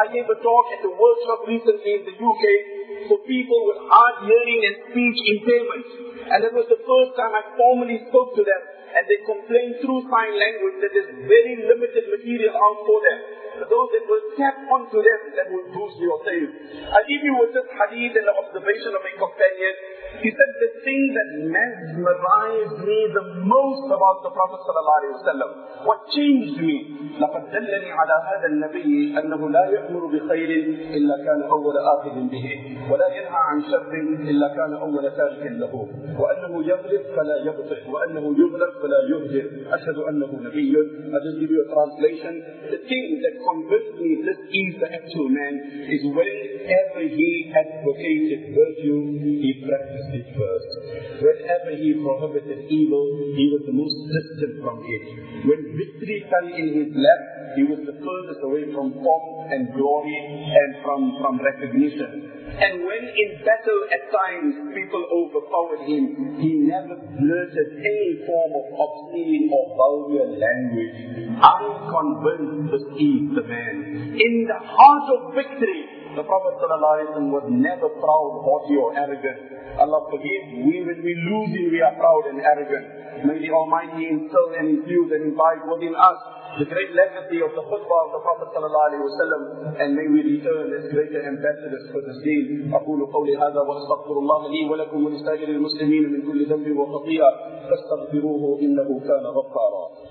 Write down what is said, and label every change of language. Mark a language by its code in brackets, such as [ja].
[en] I gave a talk at a workshop recently in the UK for people with hard hearing and speech impairments. And that was the first time I formally spoke to them. And they complained through sign language that there's very limited material out for them. But those that will tap onto them, that will boost your sales. I give you with this hadith and the observation of a companion. He said, the thing that mesmerized me the most about the Prophet sallallahu alaihi wasallam, what changed me, [ar] لَقَدْ دَلَّنِي عَلَىٰ هَذَا النَّبِيِّ أَنَّهُ لَا يَأْمُرُ بِخَيْرٍ إِلَّا كَانَ أَوَّلَ آخِذٍ بِهِ وَلَا يَنْهَىٰ عَنْ شَرٍ إِلَّا كَانَ أَوَّلَ تَارِكٍ لَهُ وَأَنَّهُ يَغْلِبْ فَلَا يَبْطِئْ وَأَنَّهُ يُغْلَبْ فَلَا يُهْجِرْ أَشْهَدُ أَنَّهُ نَبِيٌّ. [en] I'll just give you a translation. The thing that convinced me this is the actual man is whenever he advocated virtue, he practiced it first. Whenever he prohibited evil, he was the most distant from it. When victory fell in his lap, he was the furthest away from pomp and glory and from recognition. And when in battle at times people overpowered him, he never blurted any form of obscene or vulgar language. Unconvinced was he, the man. In the heart of victory, the Prophet sallallahu alaihi wasallam was never proud, haughty or arrogant. Allah forgive, we when we lose him, we are proud and arrogant. May the Almighty instill and infuse and invite within us the great legacy of the khutbah of the Prophet sallallahu alaihi wasallam, and may we return as greater ambassadors for the deen. [ar] أقول قولي هذا وأستغفر الله لي ولكم ولسائر المسلمين من كل ذنب وخطيئة فاستغفروه إنه كان غفارا.